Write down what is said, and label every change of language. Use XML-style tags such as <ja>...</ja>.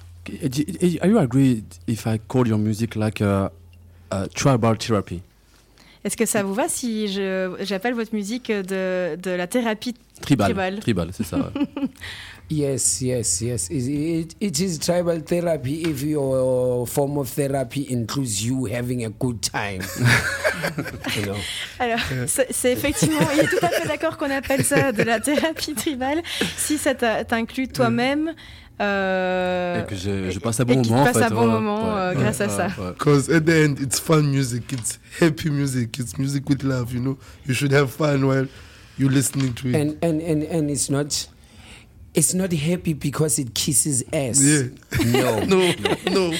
<en>Are you agree if I call your music like tribal therapy?</en> <fr>Est-ce que ça vous va si j'appelle votre musique de la thérapie tribale? Tribal, c'est ça. Ouais.</fr> <en>Yes. It is tribal therapy if your form of therapy includes you having a good time. You know.</en> <fr>Alors, c'est effectivement, il est tout à fait d'accord qu'on appelle ça de la thérapie tribale si ça t'inclut toi-même. Et que je passe un bon moment. Et qu'il passe en fait, un bon moment grâce à ça.</fr> <en>Because at the end, it's fun music, it's happy music, it's music with love. You know, you should have fun while you're listening to it. And it's not happy because it kisses ass. Yeah. No.</en>